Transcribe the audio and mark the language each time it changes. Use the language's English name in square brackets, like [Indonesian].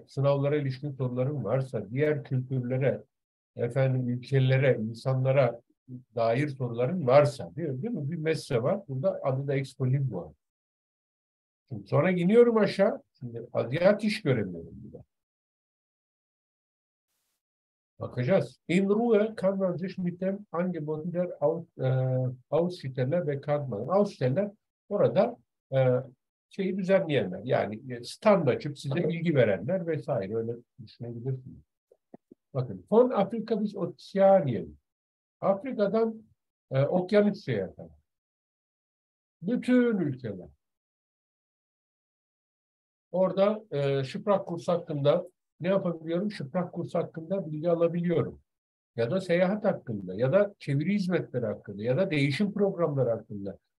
[Turkish] Sınavlara ilişkin sorularım varsa, diğer kültürlere, efendim, ülkelere, insanlara dair sorularım varsa, değil mi? Bir mesle var, burada adı da Expo Lingua. Şimdi sonra iniyorum aşağı, şimdi adiyat iş göremiyorum burada. Bakacağız. [German] In Ruhe kann man sich mit dem Angebot der Aussteller bekannt machen. [Turkish] Aussteller orada şeyi düzenleyenler. Yani stand açıp size bilgi verenler vesaire. Öyle düşünebilirsiniz. Bakın. [German] Von Afrika bis Ozeanien. [Turkish] Afrika'dan Okyanusya'ya kadar. Bütün ülkeler. Orada Şıprak kursu hakkında ne yapabiliyorum? Şıprak kursu hakkında bilgi alabiliyorum. Ya da seyahat hakkında, ya da çeviri hizmetleri hakkında, ya da değişim programları hakkında.